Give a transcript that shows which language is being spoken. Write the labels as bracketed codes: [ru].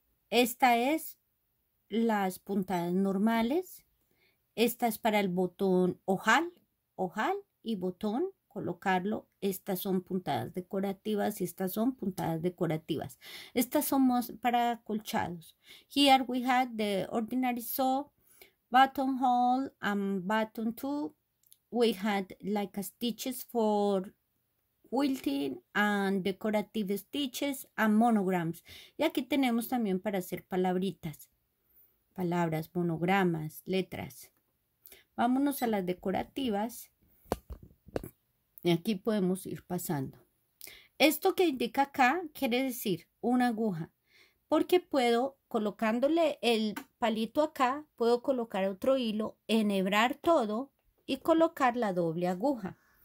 [es] Esta es las puntadas normales. Esta es para el botón ojal. Ojal y botón colocarlo. Estas son puntadas decorativas y estas son puntadas decorativas. Estas somos para acolchados. [en] Here we had the ordinary saw, buttonhole and button too. We had like a stitches for quilting and decorative stitches and monograms. [es] Y aquí tenemos también para hacer palabritas, palabras, monogramas, letras. Vámonos a las decorativas. Y aquí podemos ir pasando. Esto que indica acá quiere decir una aguja. Porque puedo, colocándole el palito acá, puedo colocar otro hilo, enhebrar todo y colocar la doble aguja.